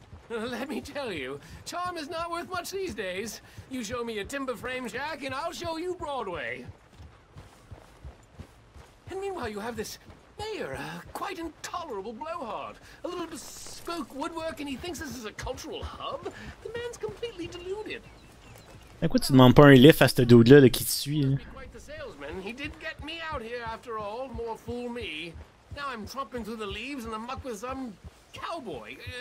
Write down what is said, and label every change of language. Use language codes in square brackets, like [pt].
[en] Let me tell you, charm is not worth much these days. You show me a timber frame shack and I'll show you Broadway. And meanwhile, you have this mayor, a quite intolerable blowhard. A little bespoke woodwork and he thinks this is a cultural hub? The man's completely deluded. [fr] Pourquoi tu demandes pas un lift à ce dude-là là, qui te suit? [en] Quite the salesman. He did get me out here after all. More fool me. Now I'm tromping through the leaves and the muck with some cowboy.